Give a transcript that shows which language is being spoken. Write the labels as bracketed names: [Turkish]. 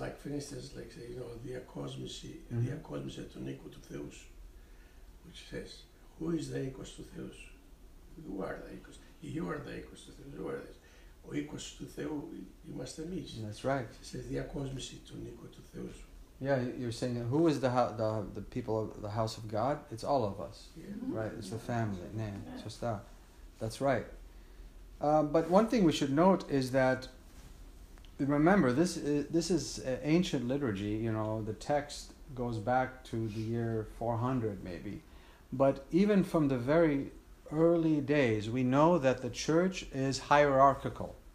[English] like for instance, like say, you know, the acosmosy, the acosmosy at an equal to Theos, which says, who is the equal to Theos? You are the equal. You are the equal to Theos. You are this. [Greek] Ο οίκος του Θεού είμαστε εμείς. [English] That's right. [Greek] Σε διακόσμηση του οίκου του Θεού. [English] Yeah, you're saying who is the people of the house of God? It's all of us, yeah. Right? It's the family. Yeah. So that's right. But one thing we should note is that, remember, this is ancient liturgy. You know, the text goes back to the year 400 maybe, but even from the very early days, we know that the church is hierarchical.